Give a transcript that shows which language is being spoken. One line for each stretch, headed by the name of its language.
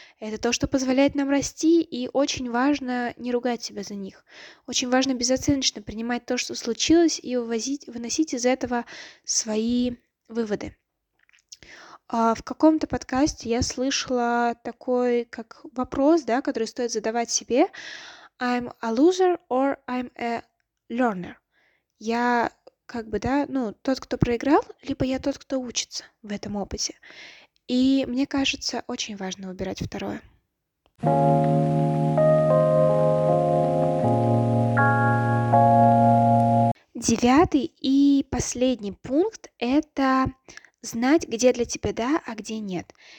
Russian: Это то, что позволяет нам расти, и очень важно не ругать себя за них. Очень важно безоценочно принимать то, что случилось, и выносить из этого свои выводы. В каком-то подкасте я слышала такой как вопрос, да, который стоит задавать себе.
English: I'm a loser or I'm a learner?
Russian: Я как бы, да, ну, тот, кто проиграл, либо я тот, кто учится в этом опыте. И мне кажется, очень важно выбирать второе. Девятый и последний пункт — это знать, где для тебя да, а где нет.